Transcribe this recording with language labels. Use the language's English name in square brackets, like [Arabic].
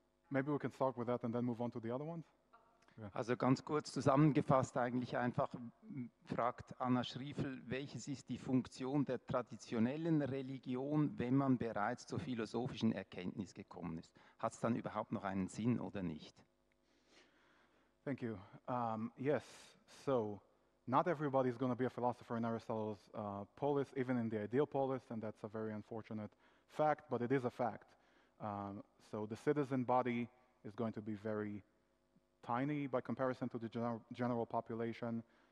[English] Maybe we can start with that and then move on to the other ones. Yeah. [German] Also ganz kurz zusammengefasst, eigentlich einfach fragt Anna Schriefel, welches ist die Funktion der traditionellen Religion, wenn man bereits zur philosophischen Erkenntnis gekommen ist? Hat es dann überhaupt noch einen Sinn oder nicht? [English] Thank you. Yes, so not everybody is going to be a philosopher in Aristotle's polis, even in the ideal polis, and that's a very unfortunate fact, but it is a fact. So the citizen body is going to be very tiny by comparison to the general population.